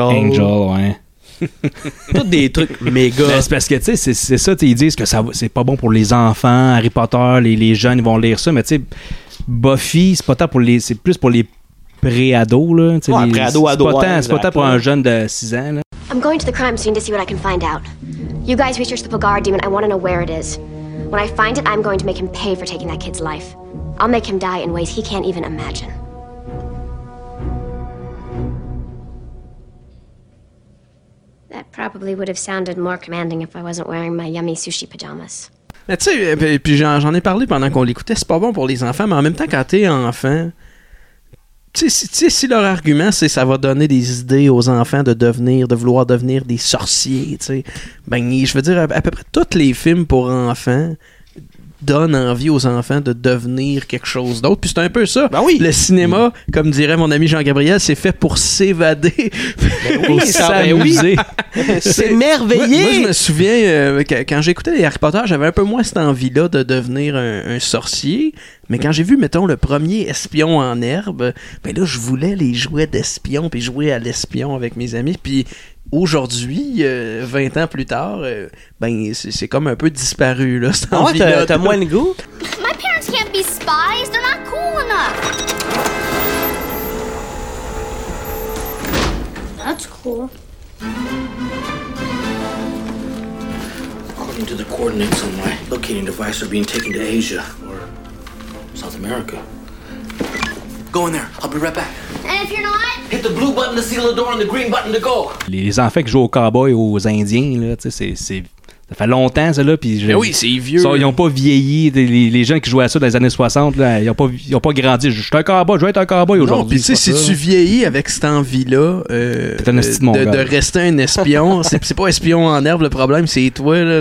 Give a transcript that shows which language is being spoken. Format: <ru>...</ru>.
<fr>Angel, ouais. Tout des trucs méga. Mais c'est parce que, tu sais, c'est ça, tu sais, ils disent que ça, c'est pas bon pour les enfants. Harry Potter, les jeunes, ils vont lire ça. Mais tu sais, Buffy, c'est pas tant pour les. C'est plus pour les. Pré-ado, là. Ouais, les, pré-ado, c'est ado, pas ouais, tant, ouais, c'est pas tant pour un jeune de 6 ans, là.</fr> <en>I'm going to the crime scene to see what I can find out. You guys research the Pogard demon, I want to know where it is. When I find it, I'm going to make him pay for taking that kid's life. I'll make him die in ways he can't even imagine. That probably would have sounded more commanding if I wasn't wearing my yummy sushi pajamas.</en> <fr>Mais tu sais, puis j'en ai parlé pendant qu'on l'écoutait, c'est pas bon pour les enfants, mais en même temps, quand t'es enfant... Tu sais, si leur argument, c'est ça va donner des idées aux enfants de vouloir devenir des sorciers, tu sais. Ben, je veux dire, à peu près tous les films pour enfants donnent envie aux enfants de devenir quelque chose d'autre. Puis c'est un peu ça. Ben oui. Le cinéma, comme dirait mon ami Jean-Gabriel, c'est fait pour s'évader. Ben oui, s'amuser. Oui. C'est merveilleux. Moi, je me souviens, quand j'écoutais les Harry Potter, j'avais un peu moins cette envie-là de devenir un sorcier. Mais quand j'ai vu, mettons, le premier espion en herbe, ben là, je voulais les jouets d'espion, puis jouer à l'espion avec mes amis. Puis aujourd'hui, 20 ans plus tard, ben c'est comme un peu disparu, là, cette envie-là. Ouais, t'as moins le goût?</fr> <en>My parents can't be spies, they're not cool enough! That's cool. According to the coordinates on my locating device are being taken to Asia, or... South America. Go in there. I'll be right back. And if you're not, hit the blue button to seal the door and the green button to go.</en> <fr>Les enfants qui jouent aux cowboys aux Indiens là, tu sais, c'est ça fait longtemps ça là, puis mais oui, c'est vieux. Ça, ils ont pas vieilli. Les gens qui jouaient à ça dans les années 60 là, ils ont pas grandi. Je suis un cowboy, je vais être un cowboy aujourd'hui. Non, puis si tu vieillis avec cette envie là, de rester un espion, c'est pas espion en herbe le problème, c'est toi là.</fr>